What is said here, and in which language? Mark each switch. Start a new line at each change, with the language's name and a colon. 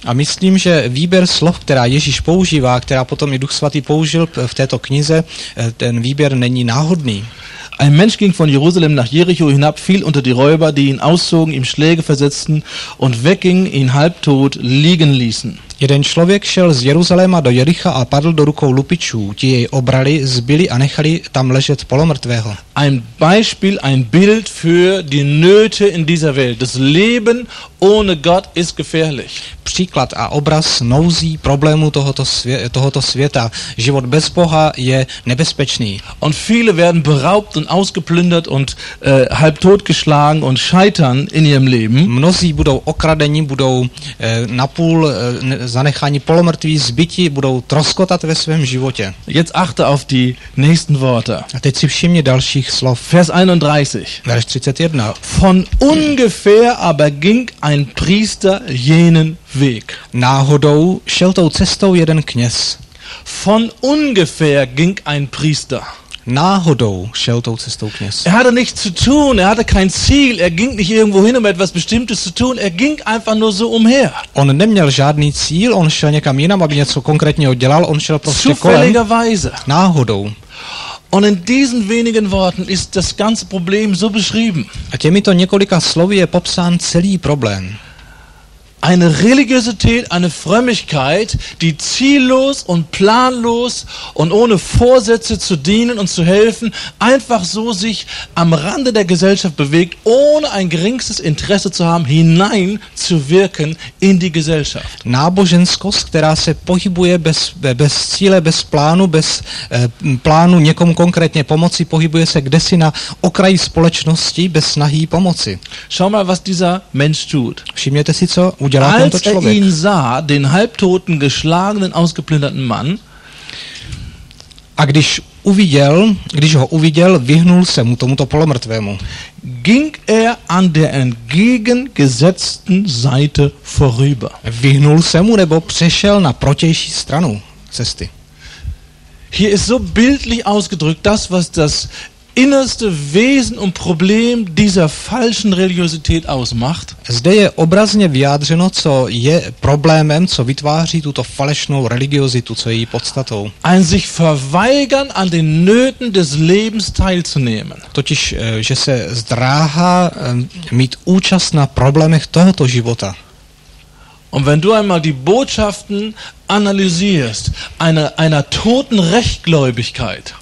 Czech: A myslím, že výběr slov, která Ježíš používá, která potom i Duch svatý použil v této knize, ten výběr není náhodný.
German: Ein Mensch ging von Jerusalem nach Jericho hinab, fiel unter die Räuber, die ihn auszogen, ihm Schläge versetzten und wegging, ihn halbtot liegen ließen.
Czech: Jeden člověk šel z Jeruzaléma do Jericha a padl do rukou lupičů. Ti jej obrali, zbili a nechali tam ležet polomrtvého.
German: Ein Beispiel, ein Bild für die Nöte in dieser Welt. Das Leben ohne Gott ist gefährlich.
Czech: Příklad a obraz nouzí problému tohoto světa. Život bez Boha je nebezpečný.
German: Und viele werden beraubt und ausgeplündert und halb tot geschlagen und scheitern in ihrem Leben.
Czech: Mnozí budou okradeni, budou napůl zanecháni polomrtví, zbyti, budou troskotat ve svém životě.
German: Jetzt achte auf die nächsten Worte.
Czech: A teď si všimni dalších slov.
German: Vers 31. Vers 31. Von ungefähr aber ging ein Priester jenen Weg.
Czech: Náhodou šel tou cestou jeden kněz.
German: Von ungefähr ging ein Priester.
Czech: Náhodou šel tou cestou kněz.
German: Er hatte nichts zu tun, er hatte kein Ziel, er ging nicht irgendwo hin, um etwas Bestimmtes zu tun, er ging einfach nur so umher.
Czech: On neměl žádný cíl, on šel někam jinam, aby něco konkrétně dělal, on šel prostě kolem.
German: Zufälligerweise.
Czech: Náhodou.
German: Und in diesen wenigen Worten ist das ganze Problem so beschrieben.
Czech: A těmito několika slovy je popsán celý problém.
German: Eine Religiosität, eine Frömmigkeit, die ziellos und planlos und ohne Vorsätze zu dienen und zu helfen, einfach so sich am Rande der Gesellschaft bewegt, ohne ein geringstes Interesse zu haben, hineinzuwirken in die Gesellschaft.
Czech: Náboženskost, která se pohybuje bez cíle, bez plánu, bez plánu někomu konkrétně pomoci, pohybuje se kdesi na okraji společnosti, bez snahy pomoci.
German: Schau mal, was dieser Mensch tut.
Czech: Všimněte si, co
German: Als er ihn sah, den halbtoten, geschlagenen, ausgeplünderten Mann,
Czech: a když ho uviděl, vyhnul se mu tomuto polomrtvému,
German: ging er an der entgegengesetzten Seite vorüber.
Czech: Vyhnul se mu nebo přešel na protější stranu cesty.
German: Hier ist so bildlich ausgedrückt das, was das innerste Wesen und Problem dieser falschen Religiosität ausmacht.
Czech: Zde je obrazně vyjádřeno, co je problémem, co vytváří tuto falešnou religiozitu, co je její podstatou.
German: Ein sich verweigern an den Nöten des Lebens teilzunehmen.
Czech: Totiž, že se zdráhá mít účast na problémech tohoto života.
German: Und wenn du einmal die Botschaften analysierst, einer toten Rechtgläubigkeit.